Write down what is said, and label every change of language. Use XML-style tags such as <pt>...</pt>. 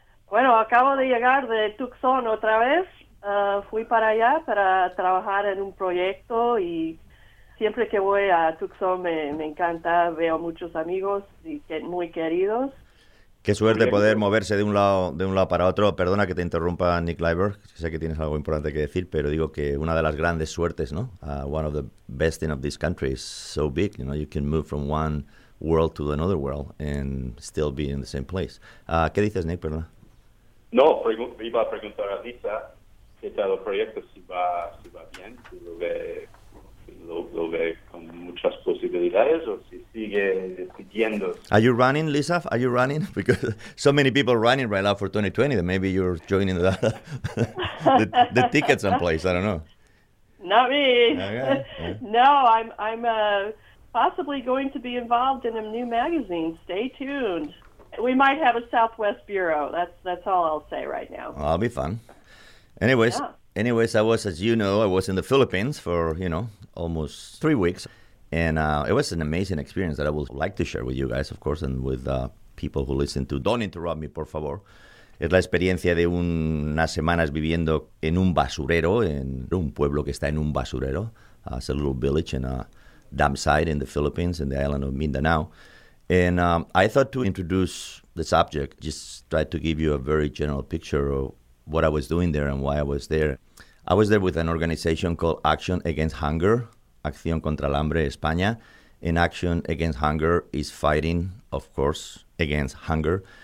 <es>Bueno, acabo de llegar de Tucson otra vez. Fui para allá para trabajar en un proyecto y siempre que voy a Tucson me encanta. Veo muchos amigos y muy queridos. Qué suerte poder moverse de un lado para otro. Perdona que te interrumpa, Nick Leiber. Sé que tienes algo importante que decir, pero digo que una de las grandes suertes, ¿no?</es> <en>One of the best in of this country is so big. You know, you can move from one world to another world and still be in the same place.</en> <es>¿Qué dices, Nick? Perdona. No, iba a preguntar a Lisa qué tal el proyecto, si va bien, si lo ve con muchas posibilidades o si sigue siguiendo.</es> <en>Are you running, Lisa? Are you running? Because so many people running right now for 2020 that maybe you're joining the ticket someplace. I don't know. Not me. Okay. Yeah. No, I'm possibly going to be involved in a new magazine. Stay tuned. We might have a Southwest Bureau. That's all I'll say right now. Well, that'll be fun. Anyways, I was, as you know, I was in the Philippines for, you know, almost 3 weeks. And it was an amazing experience that I would like to share with you guys, of course, and with people who listen to Don't Interrupt Me, Por Favor.</en> <es>Es la experiencia de unas semanas viviendo en un basurero, en un pueblo que está en un basurero.</es> <en>It's a little village in a dam site in the Philippines, in the island of Mindanao. And I thought to introduce the subject, just try to give you a very general picture of what I was doing there and why I was there. I was there with an organization called Action Against Hunger, Acción Contra el Hambre España, and Action Against Hunger is fighting, of course, against hunger.</en>